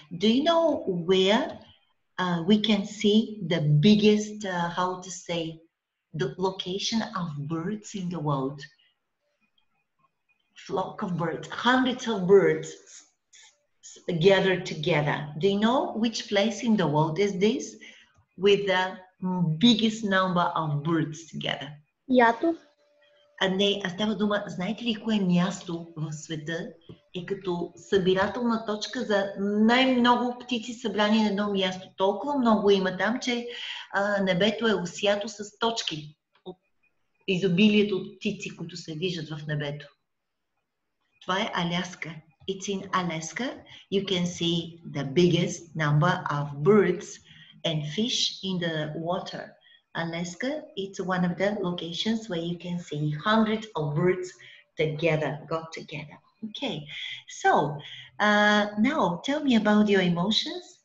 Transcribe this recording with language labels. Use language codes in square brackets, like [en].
[en] Do you know where we can see the biggest, the location of birds in the world? Flock of birds, hundreds of birds gathered together. Do you know which place in the world is this with the biggest number of birds together? Iato. [bg] А не, аз трябва дума, знаете ли кое място в света е като събирателна точка за най-много птици събрани на едно място? Толкова много има там, че небето е осято с точки от изобилието от птици, които се виждат в небето. Това е Аляска. [en] It's in Alaska. You can see the biggest number of birds and fish in the water. Alaska, it's one of the locations where you can see hundreds of birds together, got together. Okay, so now tell me about your emotions.